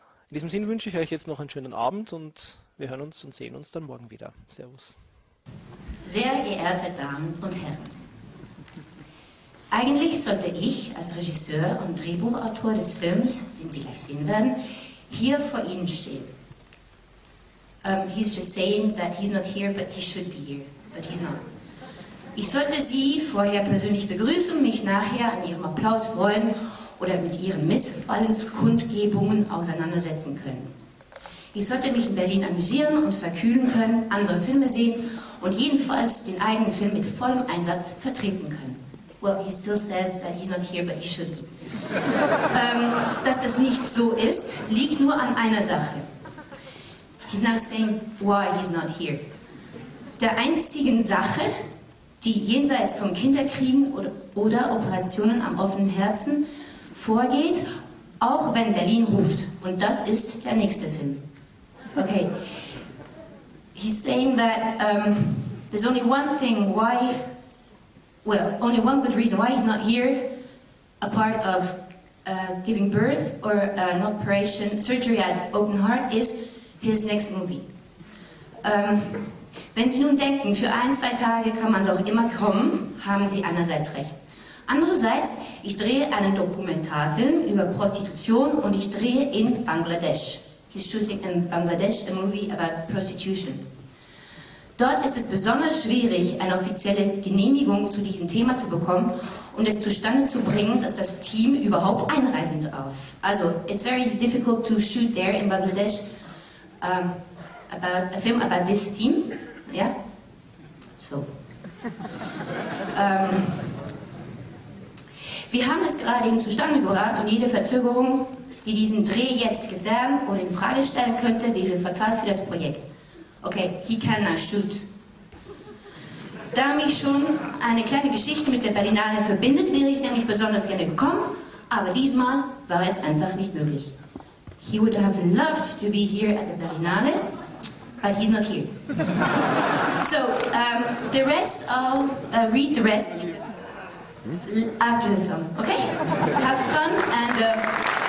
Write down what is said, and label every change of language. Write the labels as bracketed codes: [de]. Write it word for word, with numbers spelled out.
[de] In diesem Sinn wünsche ich euch jetzt noch einen schönen Abend und wir hören uns und sehen uns dann morgen wieder. Servus. Sehr geehrte Damen und Herren, eigentlich sollte ich als Regisseur und Drehbuchautor des Films, den Sie gleich sehen werden, hier vor Ihnen stehen. [en] Um, he's just saying that he's not here, but he should be here, but he's not. [de] Ich sollte Sie vorher persönlich begrüßen, mich nachher an Ihrem Applaus freuen oder mit Ihren Missfallenskundgebungen auseinandersetzen können. Ich sollte mich in Berlin amüsieren und verkühlen können, andere Filme sehen und jedenfalls den eigenen Film mit vollem Einsatz vertreten können. [en] Well, he still says that he's not here, but he should be. [de] ähm, dass das nicht so ist, liegt nur an einer Sache. [en] He's now saying why he's not here. [de] Der einzigen Sache, die jenseits von Kinderkriegen oder, oder Operationen am offenen Herzen vorgeht, auch wenn Berlin ruft. Und das ist der nächste Film. [en] Okay. He's saying that um, there's only one thing why, well, only one good reason why he's not here, a part of uh, giving birth or an operation, surgery at open heart, is his next movie. [de] Ähm, wenn Sie nun denken, für ein, zwei Tage kann man doch immer kommen, haben Sie einerseits recht. Andererseits, ich drehe einen Dokumentarfilm über Prostitution und ich drehe in Bangladesch. [en] He's shooting in Bangladesh a movie about prostitution. [de] Dort ist es besonders schwierig, eine offizielle Genehmigung zu diesem Thema zu bekommen und es zustande zu bringen, dass das Team überhaupt einreisen darf. [en] Also, it's very difficult to shoot there in Bangladesh um, about a film about this theme. Yeah? So. [de] ähm, wir haben es gerade eben zustande gebracht und jede Verzögerung, die diesen Dreh jetzt gefährden oder in Frage stellen könnte, wäre fatal für das Projekt. [en] Okay, he can now shoot. [de] Da mich schon eine kleine Geschichte mit der Berlinale verbindet, wäre ich nämlich besonders gerne gekommen, aber diesmal war es einfach nicht möglich. [en] He would have loved to be here at the Berlinale, but he's not here. So, um, the rest, I'll uh, read the rest after the film, okay? Have fun and uh,